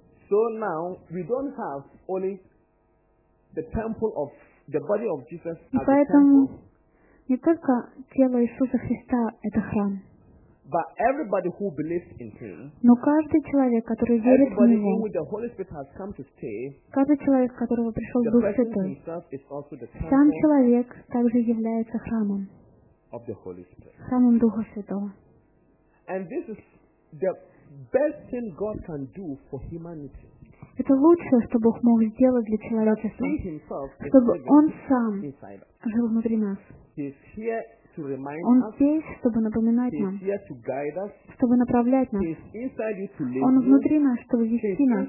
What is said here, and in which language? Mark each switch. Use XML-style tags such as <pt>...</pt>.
<en>So now we don't have only the temple of the body of Jesus as a temple.</en> <ru>И поэтому не только тело Иисуса Христа это храм.</ru> <en>But everybody who believes in Him.</en> <ru>Но каждый человек, который верит в Него.</ru> <en>Everybody who with the Holy Spirit has come to stay.</en> <ru>Каждый человек, которого пришел Дух Святой.</ru> <en>The person himself is also the temple.</en> <ru>Сам человек также является храмом.</ru> <en>Of the Holy Spirit.</en> <ru>Самым Духа Святого.</ru> <en>And this is the best thing God can do for humanity.</en> <ru>Это лучшее, что Бог мог сделать для человечества.</ru> <en>He himself,</en> <ru>чтобы Он сам жил внутри нас. Он здесь, чтобы напоминать нам. Чтобы направлять нас. Он внутри нас, чтобы вести нас.</ru>